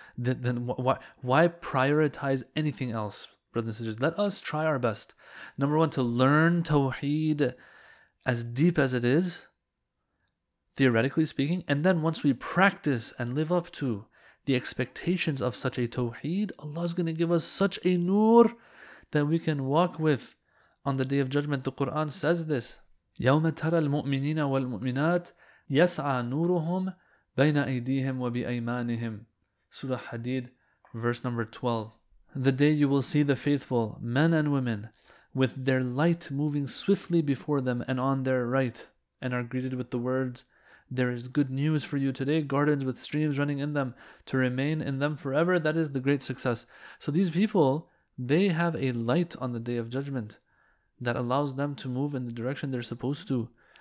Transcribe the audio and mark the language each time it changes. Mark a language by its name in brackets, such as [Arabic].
[English] Then why prioritize anything else? Brothers and sisters, let us try our best. Number one, to learn Tawheed as deep as it is, theoretically speaking, and then once we practice and live up to the expectations of such a tawheed, Allah is going to give us such a nur that we can walk with on the Day of Judgment. The Quran says this, [Arabic] يَوْمَ تَرَى الْمُؤْمِنِينَ وَالْمُؤْمِنَاتِ يَسْعَى نُورُهُمْ بَيْنَ أَيْدِيهِمْ وَبِأَيْمَانِهِمْ [English] Surah Hadid, verse number 12. The day you will see the faithful, men and women, with their light moving swiftly before them and on their right, and are greeted with the words, there is good news for you today, gardens with streams running in them, to remain in them forever. That is the great success. So these people, they have a light on the Day of Judgment that allows them to move in the direction they're supposed to.